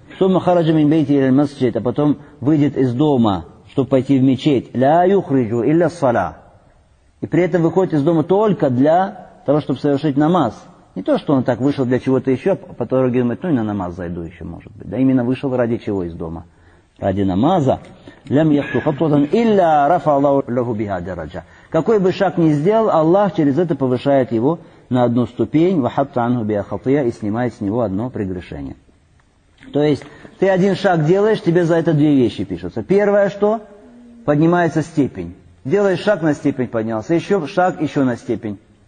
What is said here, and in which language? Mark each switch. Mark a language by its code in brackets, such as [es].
[ar] «Сумма хараджа мин бейти иль масджид», [ru] а потом выйдет из дома, чтобы пойти в мечеть. [ar] «Ля юхриджу илля саля». [ru] И при этом выходит из дома только для того, чтобы совершить намаз. Не то, что он так вышел для чего-то еще, а по дороге думает, ну и на намаз зайду еще, может быть. Да именно вышел ради чего из дома? Ради намаза. [ar] لم يخطو خطوه الا رفع الله له بها درجه. [ru] Какой бы шаг ни сделал, Аллах через это повышает его на одну ступень, [ar] وحط عنه بها خطيه, [ru] и снимает с него одно прегрешение. То есть ты один шаг делаешь, тебе за это две вещи пишутся. Первое что? Поднимается степень. Делаешь шаг, на степень поднялся, еще шаг, еще на степень.